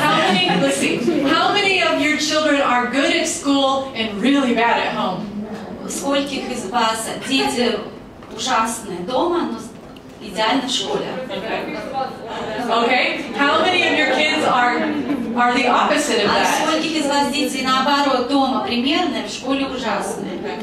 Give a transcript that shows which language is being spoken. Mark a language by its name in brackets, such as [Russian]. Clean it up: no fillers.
[English] How many of your children are good at school and really bad at home? [Russian] Скольких из вас дети ужасные дома, но идеально в школе? [English] Okay. How many of your kids are the opposite of that? [Russian] Скольких из вас дети наоборот дома примерные, в школе ужасные?